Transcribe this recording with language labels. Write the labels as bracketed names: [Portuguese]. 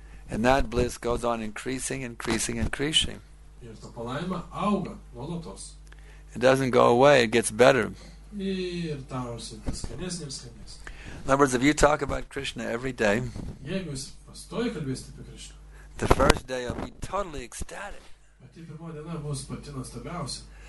[English] And that bliss goes on increasing, increasing, increasing. [Lithuanian] Ir ta palaima auga, nuolatos. [English] It doesn't go away, it gets better. [Lithuanian] Ir darosi vis skanesnė ir skanesnė. [English] In other words, if you talk about Krishna every day, [Lithuanian] jeigu jūs pastoji kalbėsite apie Krishna, [English] the first day you'll be totally ecstatic. [Lithuanian] Pati pirmo diena bus pati nuostabiausia.